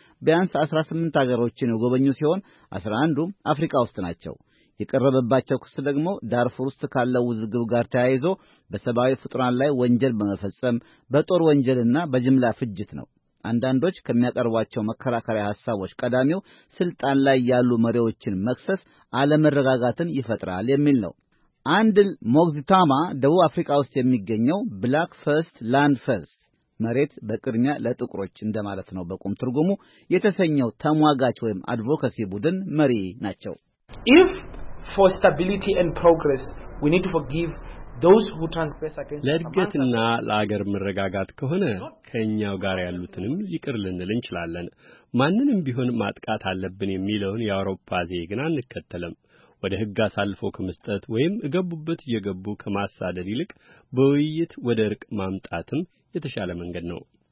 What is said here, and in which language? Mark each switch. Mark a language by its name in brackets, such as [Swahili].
[Amharic] ቢያንስ 18 ሀገሮችን የጎበኙ ሲሆን 11ዱ አፍሪካ ውስጥ ናቸው። የቀረበባቸው ክስ ደግሞ ዳርፉር ውስጥ ካለው ውዝግብ ጋር ተያይዞ በሰብአዊ ፍጥሯን ላይ ወንጀል በመፈጸም በጦር ወንጀልና በጅምላ ፍጅት ነው። አንዳንዶች ከሚያቀርቧቸው መከራከሪያ ሐሳቦች ቀዳሚው ስልጣን ላይ ያሉ መሪዎችን መክሰስ አለመረጋጋትን ይፈጥራል የሚል ነው። አንድል ሞግዚታማ ደቡብ አፍሪካ ውስጥ የሚገኘው ብላክ ፈርስት ላንድ ፈርስት መሬት በቅድሚያ ለጥቁሮች እንደማለት ነው በቁም ትርጉሙ የተሰኘው ተሟጋች ወይም አድቮካሲ ቡድን መሪ ናቸው። [English] If for stability and progress we need to forgive those who transgress against [Amharic] ለእድገትና ለአገር መረጋጋት ከሆነ ከኛው ጋር ያሉትንም ይቅር ልንል እንችላለን። ማንንም ቢሆን ማጥቃት አለብን የሚለውን የአውሮፓ ዜግን አንከተለም። ወደ ህግ አሳልፎ ከመስጠት ወይም እገቡበት እየገቡ ከመሳደድ ይልቅ በውይይት ወደ እርቅ ማምጣትም የተሻለ መንገድ ነው።